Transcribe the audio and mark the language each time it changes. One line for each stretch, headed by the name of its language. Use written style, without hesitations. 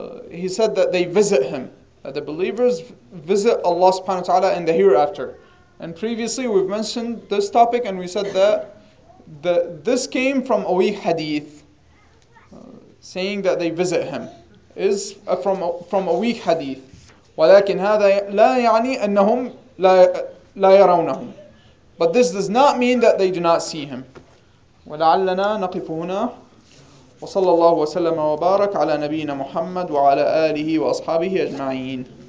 English: he said that they visit him that the believers visit Allah subhanahu wa ta'ala in the hereafter and previously we've mentioned this topic and we said that this came from a weak hadith saying that they visit him is from a weak hadith.
Arabic: ولكن هذا لا يعني أنهم لا يرونهم.
English: But this does not mean that they do not see him.
Arabic: ولعلنا نقف هنا. وصلى الله وسلم وبارك على نبينا محمد وعلى آله وأصحابه أجمعين.